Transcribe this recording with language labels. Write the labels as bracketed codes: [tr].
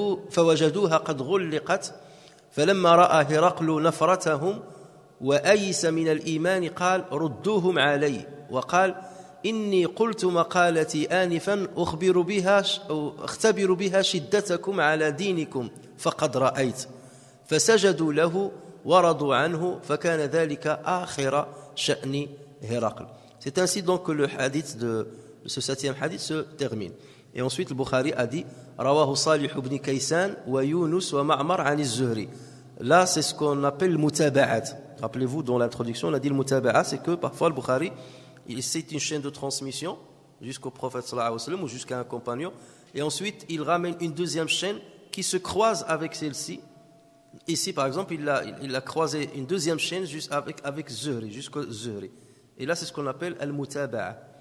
[ar] فوجدوها قد غلقت فلما رأى هرقل نفرتهم وأيس من الإيمان قال ردوهم علي وقال إني قلت مقالتي آنفا أخبر بها أختبر بها شدتكم على دينكم فقد رأيت فسجدوا له ورضوا عنه فكان ذلك آخر شأن هرقل. [fr] C'est ainsi donc que le hadith de ce septième hadith se termine. Et ensuite le Bukhari a dit [ar] رواه صالح بن كيسان ويونس ومعمر عن الزهري. [fr] Là c'est ce qu'on appelle mutaba'at. Rappelez-vous, dans l'introduction on a dit le mutaba'at, c'est que parfois le Bukhari, c'est une chaîne de transmission jusqu'au prophète [ar] sallallahu alayhi wa sallam [fr] ou jusqu'à un compagnon, et ensuite il ramène une deuxième chaîne qui se croise avec celle-ci. Ici par exemple il a croisé une deuxième chaîne juste avec Zuhri, jusqu'au Zuhri, et là c'est ce qu'on appelle al-mutaba'a.